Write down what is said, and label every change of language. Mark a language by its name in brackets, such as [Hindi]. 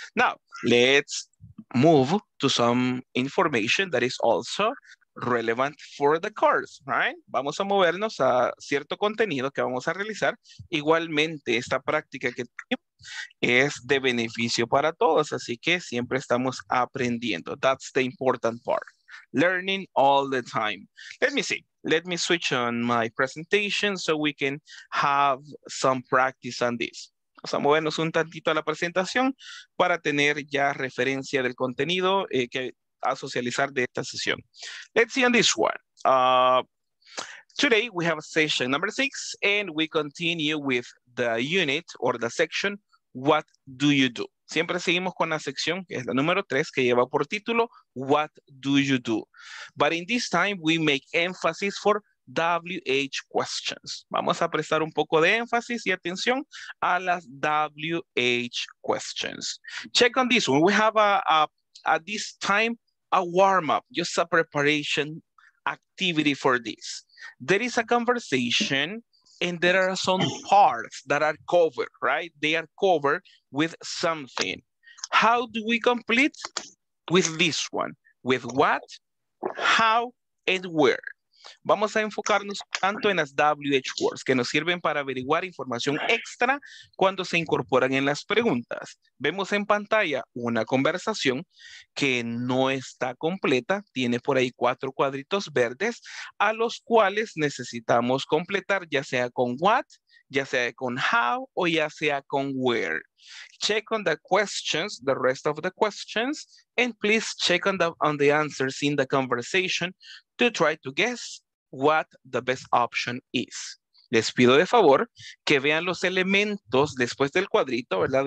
[English] Now, let's move to some information that is also relevant for the course, right? [Spanish] Vamos a movernos a cierto contenido que vamos a realizar. Igualmente, esta práctica que tenemos es de beneficio para todos, así que siempre estamos aprendiendo. [English] That's the important part. Learning all the time. Let me see. Let me switch on my presentation so we can have some practice on this. [Spanish] Vamos a movernos un tantito a la presentación para tener ya referencia del contenido que a socializar de esta sesión. [English] Let's see on this one. Today we have session number 6 and we continue with the unit or the section, What Do You Do? [Spanish] Siempre seguimos con la sección que es la número 3 que lleva por título, What Do You Do? [English] But in this time we make emphasis for WH questions. [Spanish] Vamos a prestar un poco de énfasis y atención a las WH questions. [English] Check on this one. We have a this time a warm-up, just a preparation activity for this. There is a conversation and there are some parts that are covered, right? They are covered with something. How do we complete? With this one. With what, how, and where. [Spanish] Vamos a enfocarnos tanto en las WH words, que nos sirven para averiguar información extra cuando se incorporan en las preguntas. Vemos en pantalla una conversación que no está completa. Tiene por ahí cuatro cuadritos verdes a los cuales necesitamos completar, ya sea con what, ya sea con how, o ya sea con where. [English] Check on the questions, the rest of the questions, and please check on the answers in the conversation to try to guess what the best option is. [Spanish] Les pido de favor que vean los elementos después del cuadrito, ¿verdad?